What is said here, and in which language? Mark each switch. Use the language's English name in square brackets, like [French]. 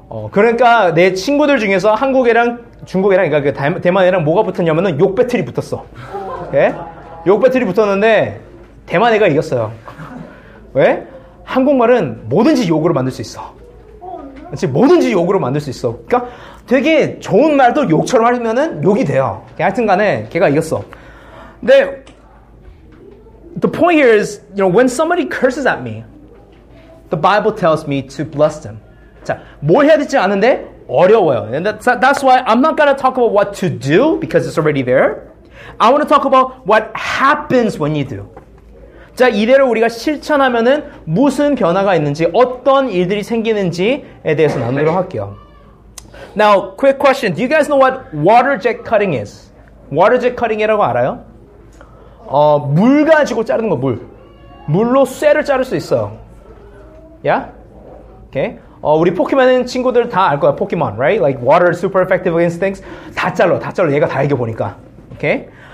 [Korean] 그러니까 내 친구들 중에서 한국애랑 중국애랑 그러니까 대만애랑 뭐가 붙었냐면은 욕 배틀이 붙었어. 예? 욕 배틀이 붙었는데 대만애가 이겼어요. 왜? 한국말은 뭐든지 욕으로 만들 수 있어. 그치? 뭐든지 욕으로 만들 수 있어. 그러니까 되게 좋은 말도 욕처럼 하면은 욕이 돼요. 하여튼 간에 걔가 이겼어. 근데 [English] the point here is, you know, when somebody curses at me, the Bible tells me to bless them. [Korean] 자, 뭘 해야 될지 아는데 어려워요. [English] And that's why I'm not gonna talk about what to do because it's already there. I want to talk about what happens when you do. [Korean] 자, 이대로 우리가 실천하면은 무슨 변화가 있는지, 어떤 일들이 생기는지에 대해서 나누도록 할게요. [English] Now, quick question. Do you guys know what water jet cutting is? [Korean] Water jet cutting이라고 알아요? 물 가지고 자르는 거, 물. 물로 쇠를 자를 수 있어. 야? [English] Yeah? Okay. [Korean] 우리 포켓몬 친구들 다 알 거야, 포켓몬, right? [English] Like, water is super effective against things. [Korean] 다 잘라. 얘가 다 이겨보니까. Okay.